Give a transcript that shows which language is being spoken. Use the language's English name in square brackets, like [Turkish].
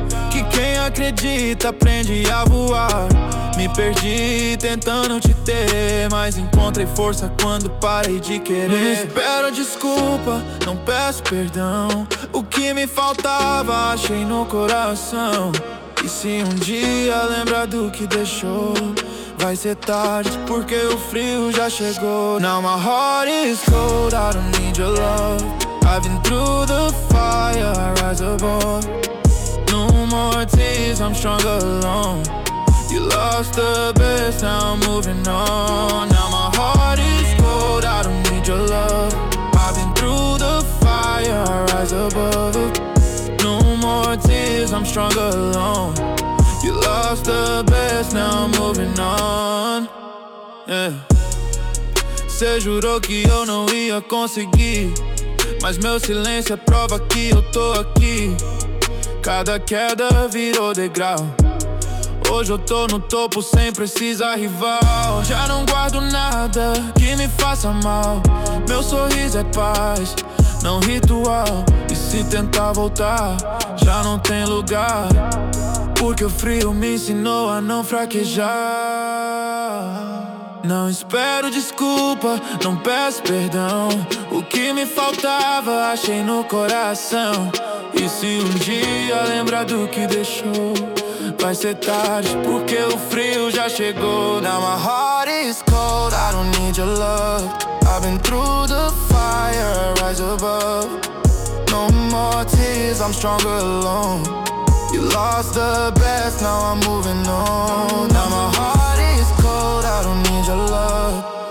[Portuguese] Que quem acredita aprende a voar. Me perdi tentando te ter, mas encontrei força quando parei de querer. Não espero desculpa, não peço perdão. O que me faltava achei no coração. E se um dia lembrar do que deixou, vai ser tarde porque o frio já chegou. [English] Now my heart is cold, I don't need your love. I've been through the fire, I rise above. No more tears, I'm strong alone. You lost the best, now I'm moving on. Now my heart is cold, I don't need your love. I've been through the fire, I rise above. No more tears, I'm strong alone. You lost the best, now I'm moving on. [Portuguese] Cê jurou que eu não ia conseguir, mas meu silêncio é prova que eu tô aqui. Cada queda virou degrau. Hoje eu tô no topo sem precisar rival. Já não guardo nada que me faça mal. Meu sorriso é paz, não ritual. E se tentar voltar, já não tem lugar. Porque o frio me ensinou a não fraquejar. Não espero desculpa, não peço perdão. O que me faltava achei no coração. E se um dia lembrar do que deixou, vai ser tarde porque o frio já chegou. [English] Now my heart is cold, I don't need your love. I've been through the fire, rise above. No more tears, I'm stronger alone. You lost the best, now I'm moving on. Now my heart is cold, I don't need your love.